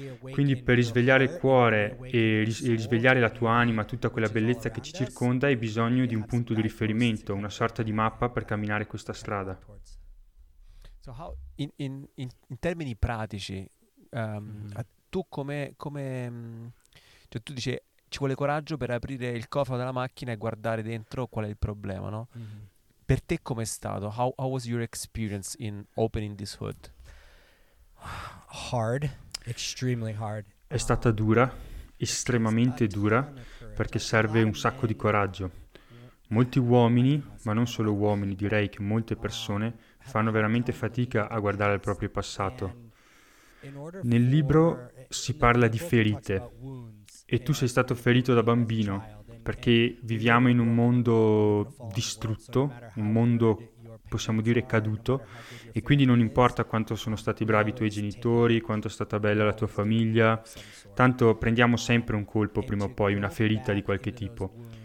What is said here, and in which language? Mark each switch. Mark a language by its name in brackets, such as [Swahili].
[Italian] Quindi per risvegliare il cuore e risvegliare la tua anima, tutta quella bellezza che ci circonda, hai bisogno di un punto di riferimento, una sorta di mappa per camminare questa strada. In termini pratici, tu cioè tu dici, ci vuole coraggio per aprire il cofano della macchina e guardare dentro qual è il problema, no? Per te com'è stato? [English] How was your experience in opening this hood? Hard, extremely hard. [Italian] È stata dura, estremamente dura, perché serve un sacco di coraggio. Molti uomini, ma non solo uomini, direi che molte persone, fanno veramente fatica a guardare al proprio passato. Nel libro si parla di ferite, e tu sei stato ferito da bambino, perché viviamo in un mondo distrutto, un mondo, possiamo dire, caduto, e quindi non importa quanto sono stati bravi i tuoi genitori, quanto è stata bella la tua famiglia, tanto prendiamo sempre un colpo prima o poi, una ferita di qualche tipo.